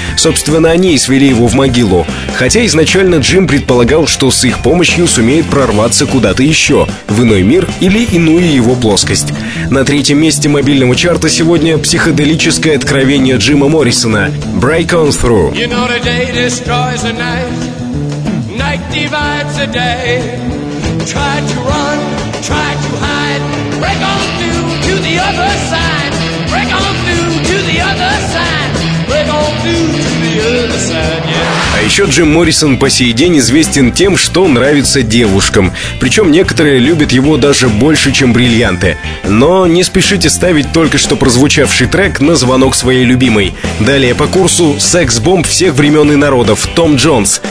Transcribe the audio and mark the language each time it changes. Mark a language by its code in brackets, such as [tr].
[ru] Собственно, они и свели его в могилу. Хотя изначально Джим предполагал, что с их помощью сумеет прорваться куда-то еще, в иной мир или иную его плоскость. На третьем месте мобильного чарта сегодня психоделическое откровение Джима Моррисона «Break on through». [en] You know, the day destroys the night divides the day. Try to run, try to hide. Break on through to the other side. Break on through to the other side. Break on through to the other side, yeah. [ru] А еще Джим Моррисон по сей день известен тем, что нравится девушкам. Причем некоторые любят его даже больше, чем бриллианты. Но не спешите ставить только что прозвучавший трек на звонок своей любимой. Далее по курсу секс-бомб всех времен и народов Том Джонс.